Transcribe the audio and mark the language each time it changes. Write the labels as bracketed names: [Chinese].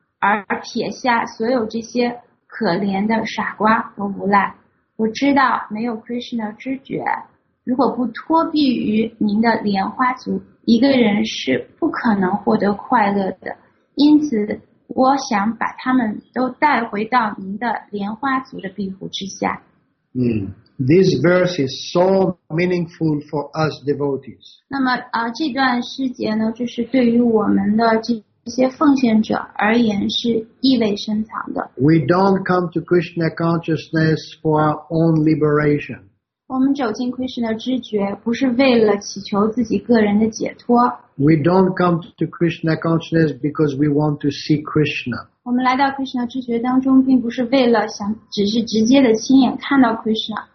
[Chinese] 而撇下所有这些可怜的傻瓜和无赖，我知道没有 Krishna 知觉，如果不托庇于您的莲花足，一个人是不可能获得快乐的。因此，我想把他们都带回到您的莲花足的庇护之下。 [English] This verse is so meaningful for us devotees. [Chinese] 那么这段诗节呢，就是对于我们的这些奉献者而言是意味深长的。 [English] We don't come to Krishna consciousness for our own liberation. [Chinese] 我们走进 Krishna 知觉不是为了祈求自己个人的解脱。 [English] We don't come to Krishna consciousness because we want to see Krishna. [Chinese] 我们来到 Krishna 知觉当中并不是为了想只是直接的亲眼看到 Krishna。